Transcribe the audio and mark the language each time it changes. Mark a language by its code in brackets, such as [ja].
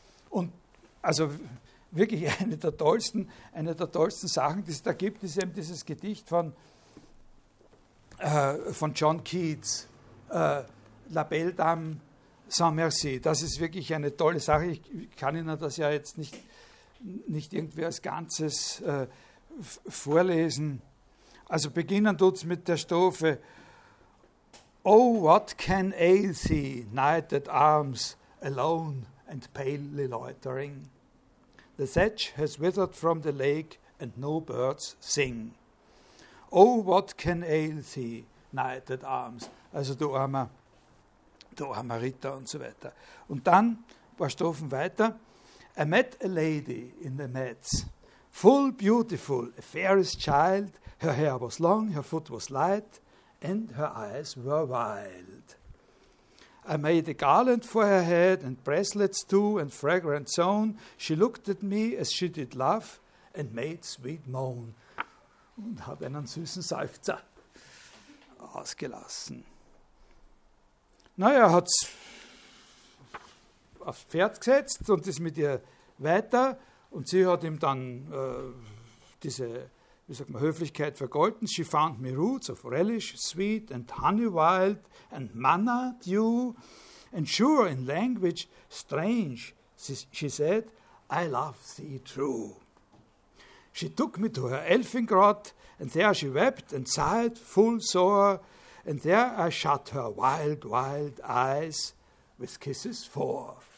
[de] Und also wirklich eine der tollsten Sachen, die es da gibt, ist eben dieses Gedicht von John Keats, La Belle Dame Saint-Merci, das ist wirklich eine tolle Sache. Ich kann Ihnen das ja jetzt nicht irgendwie als Ganzes vorlesen. Also beginnen tut's mit der Strophe. [en] Oh, what can ail thee, knight at arms, alone and palely loitering? The thatch has withered from the lake, and no birds sing. Oh, what can ail thee, knight at arms? [de] Also du armer Ritter und so weiter. Und dann ein paar Strophen weiter. [en] I met a lady in the meads, full beautiful, a fairest child. Her hair was long, her foot was light, and her eyes were wild. I made a garland for her head, and bracelets too, and fragrant zone. She looked at me as she did love, and made sweet moan. [de] Und hat einen süßen Seufzer ausgelassen. Naja, hat es aufs Pferd gesetzt und ist mit ihr weiter. Und sie hat ihm dann diese, wie sagt man, Höflichkeit vergolten. [en] She found me roots of relish, sweet and honey wild and manna dew. And sure, in language strange, she said, I love thee true. She took me to her elfin grot, and there she wept and sighed full sore, and there I shut her wild, wild eyes with kisses four.